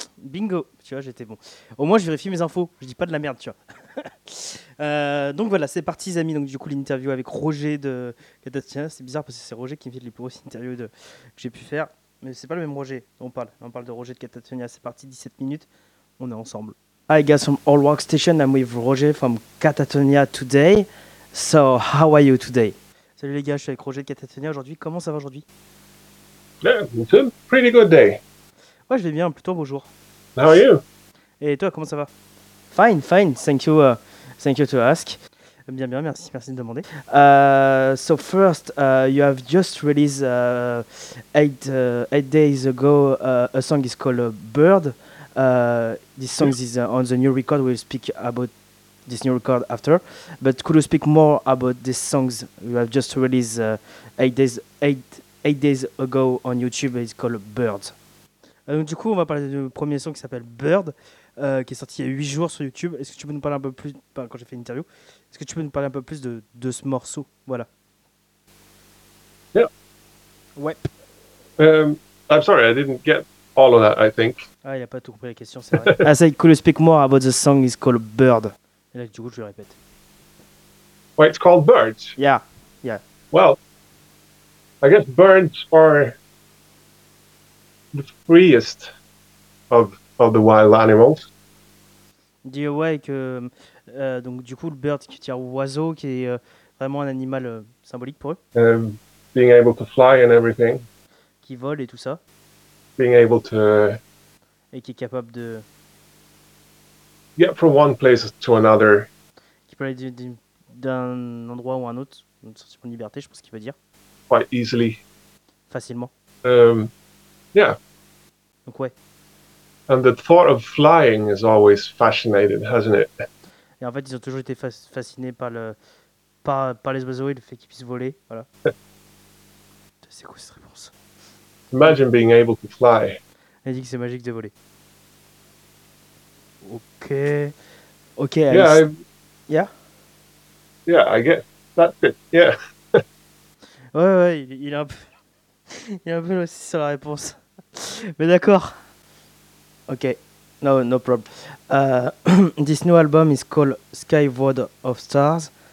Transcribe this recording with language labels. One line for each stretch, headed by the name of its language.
French: Bingo, tu vois, j'étais bon. Au moins, je vérifie mes infos, je dis pas de la merde, tu vois. Donc voilà, c'est parti, les amis. Donc, du coup, l'interview avec Roger de Catatonia, c'est bizarre parce que c'est Roger qui me fait les plus grosses interviews que j'ai pu faire. Mais c'est pas le même Roger dont on parle de Roger de Catatonia, c'est parti, 17 minutes, on est ensemble.
English: Hi guys from All Rock Station, I'm with Roger from Catatonia today. So, how are you today?
French: Salut les gars, je suis avec Roger de Catatonia aujourd'hui. Comment ça va aujourd'hui?
English: It's a pretty good day.
French: Ouais, je vais bien, plutôt bonjour.
English: How are you?
French: Et toi, comment ça va?
English: Fine, thank you to ask.
French: Bien, bien, merci de demander.
English: So first, you have just released 8 days ago a song is called Bird. This song is on the new record. We'll speak about this new record after. But could you speak more about these songs you have just released eight days ago on YouTube? It's called Bird.
French: Donc, du coup, on va parler du premier son qui s'appelle Bird, qui est sorti il y a 8 jours sur YouTube. Est-ce que tu peux nous parler un peu plus, quand j'ai fait une interview, est-ce que tu peux nous parler un peu plus de ce morceau? Voilà.
English: Yeah.
French: Ouais.
English: I'm sorry, I didn't get all of that, I think.
French: Ah, il n'a pas tout compris la question, c'est vrai.
English: I said, could you speak more about the song is called Bird?
French: Et là, du coup, je le répète.
English: Well, it's called Birds? Yeah, yeah. Well, I guess birds are the freest of the wild animals.
French: Dis ouais que donc du coup le bird qui tire oiseau qui est vraiment un animal symbolique pour eux.
English: Being able to fly and everything.
French: Qui vole et tout ça.
English: Being able to.
French: Et qui est capable de.
English: Get from one place to another.
French: Qui peut aller d'un endroit ou un autre, une sortie pour une liberté, je pense qu'il veut dire.
English: Quite easily.
French: Facilement.
English: Yeah.
French: Donc ouais.
English: And the thought of flying is always fascinated, hasn't it?
French: Et en fait, ils ont toujours été fascinés par les oiseaux et le fait qu'ils puissent voler, voilà. C'est quoi cette réponse?
English: Imagine being able to fly.
French: Il dit que c'est magique de voler. Ok. Ok,
English: yeah, Alice. Yeah? Yeah, I guess. That's it, yeah.
French: ouais, il est un peu là aussi sur la réponse. Mais d'accord.
English: Ok, no problem. this new album is called Skyward of Stars.